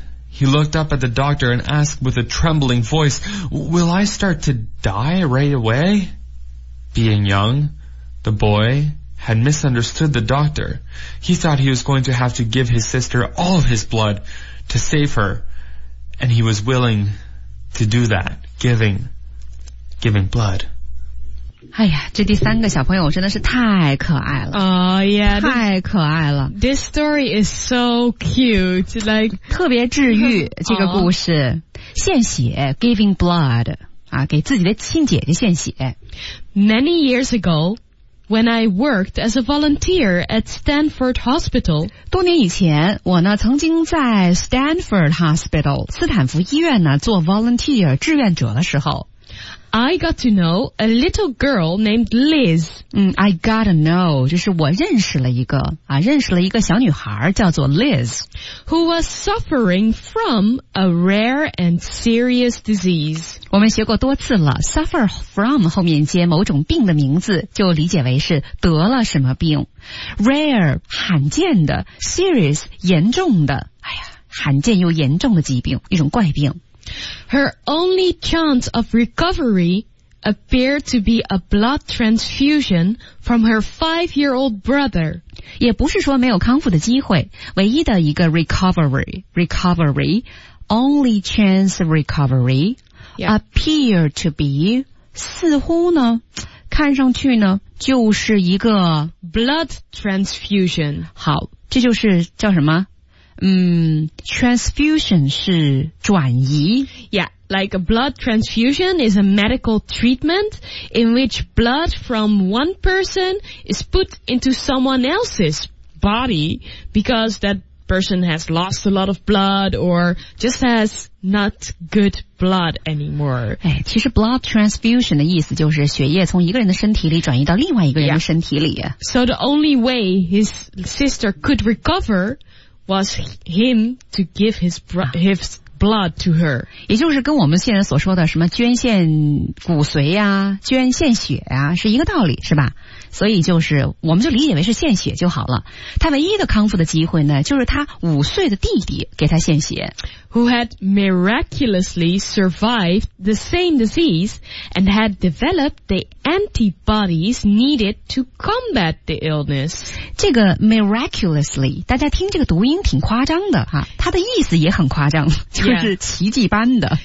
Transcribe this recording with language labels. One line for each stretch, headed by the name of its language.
English: He looked up at the doctor and asked with a trembling voice, "Will I start to die right away?" Being young, the boy had misunderstood the doctor. He thought he was going to have to give his sister all of his blood to save her, and he was willing to do that, giving blood.
Chinese: 哎呀，这第三个小朋友真的是太可爱了。
English: Yeah,
Chinese: 太可爱了。
English: This story is so cute, like,
Chinese: 特别治愈这个故事。献血 ,
English: giving blood,
Chinese: 啊，给自己的亲姐姐献血。
English: Many years ago, when I worked as a volunteer at Stanford Hospital,
Chinese: 多年以前我呢曾经在 Stanford Hospital, 斯坦福医院呢做 volunteer, 志愿者的时候。
English: I got to know a little girl named Liz. I got to know,
Chinese: 就是我认识了一个啊，认识了一个小女孩叫做 Liz,
English: who was suffering from a rare and serious disease.
Chinese: 我们学过多次了 ,
English: suffer from
Chinese: 后面接某种病的名字就理解为是得了什么病。 Rare, 罕见的 ,serious, 严重的哎呀，罕见又严重的疾病，一种怪病。
English: Her only chance of recovery appeared to be a blood transfusion from her 5-year-old brother.
Chinese: 也不是说没有康复的机会，唯一的一个 recovery,
English: only chance of recovery, yeah. appear to be,
Chinese: 似乎呢，看上去呢，就是一个
English: blood transfusion.
Chinese: 好，这就是叫什么？ transfusion 是转移。
English: Yeah, like a blood transfusion is a medical treatment in which blood from one person is put into someone else's body because that person has lost a lot of blood or just has not good blood anymore.
Chinese: 哎，其实 blood transfusion 的意思就是血液从一个人的身体里转移到另外一个人的身体里。
English: Yeah. So the only way his sister could recoverwas him to give his blood to her.
Chinese: 也就是跟我们现在所说的什么捐献骨髓啊，捐献血啊，是一个道理，是吧？所以就是，我们就理解为是献血就好了。他唯一的康复的机会呢，就是他五岁的弟弟给他献血。
English: Who had miraculously survived the same disease and had developed the antibodies needed to combat the illness.
Chinese: 这个 miraculously, 大家听这个读音挺夸张的哈，它的意思也很夸张，就是奇迹般的。